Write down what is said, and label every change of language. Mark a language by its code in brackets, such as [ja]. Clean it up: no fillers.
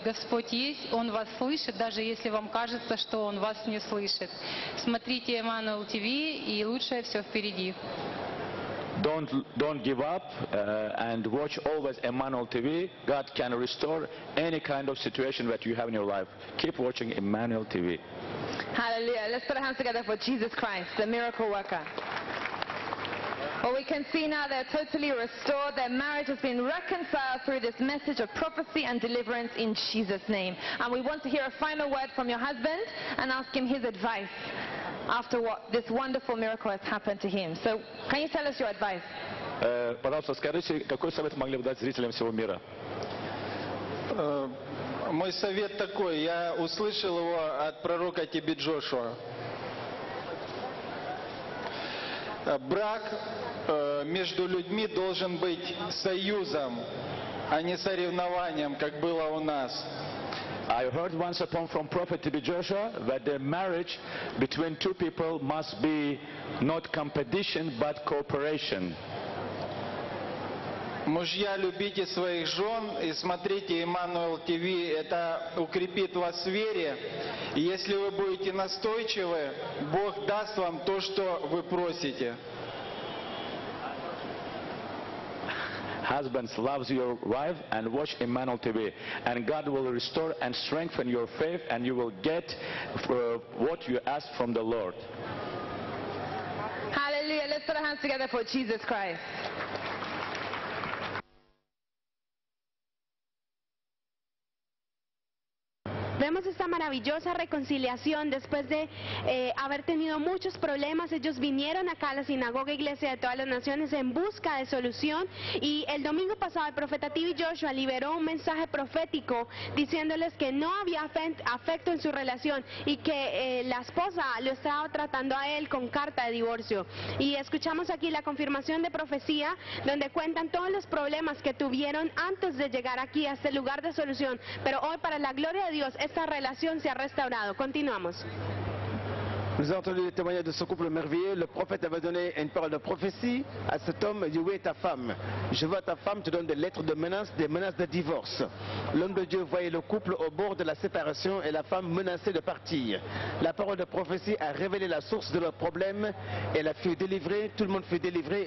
[ru] Господь есть, Он вас слышит, даже если вам кажется, что Он вас не слышит. Смотрите Emmanuel TV и лучшее все впереди. [en] Don't give up and watch always Emmanuel TV. God can restore any kind of situation that you have in your life. Keep watching Emmanuel TV. Hallelujah. Let's put our hands together for Jesus Christ, the miracle worker. Well, we can see now they're totally restored. Their marriage has been reconciled through this message of prophecy and deliverance in Jesus' name. And we want to hear a final word from your husband and ask him his advice after what this wonderful miracle has happened to him. So, can you tell us your advice? [ru] Пожалуйста, скажите, какой совет могли бы дать зрителям всего мира? Мой совет такой, я услышал его от пророка тебе Джошуа. Брак между людьми должен быть союзом, а не соревнованием, как было у нас. [en] I heard once upon from Prophet Tibi Joshua that the marriage between two people must be not competition, but cooperation. [ru] Мужья, любите своих жен и смотрите Emmanuel TV. Это укрепит вас в вере. И если вы будете настойчивы, Бог даст вам то, что вы просите. [en] Husbands, love your wife and watch Emmanuel TV. And God will restore and strengthen your faith and you will get what you ask from the Lord. Hallelujah. Let's put our hands together for Jesus Christ. [es] Vemos esta maravillosa reconciliación después de haber tenido muchos problemas. Ellos vinieron acá a la sinagoga iglesia de todas las naciones en busca de solución. Y el domingo pasado el profeta Tibi Joshua liberó un mensaje profético diciéndoles que no había afecto en su relación y que la esposa lo estaba tratando a él con carta de divorcio. Y escuchamos aquí la confirmación de profecía donde cuentan todos los problemas que tuvieron antes de llegar aquí a este lugar de solución. Pero hoy, para la gloria de Dios, esta relación se ha restaurado. Continuamos. [fr] Nous avons entendu le témoignage de ce couple merveilleux. Le prophète avait donné une parole de prophétie à cet homme. Il dit, oui, ta femme. Je vois ta femme, te donne des lettres de menaces, des menaces de divorce. L'homme de Dieu voyait le couple au bord de la séparation et la femme menacée de partir. La parole de prophétie a révélé la source de leur problème. Elle a fait délivrer, tout le monde fut délivré.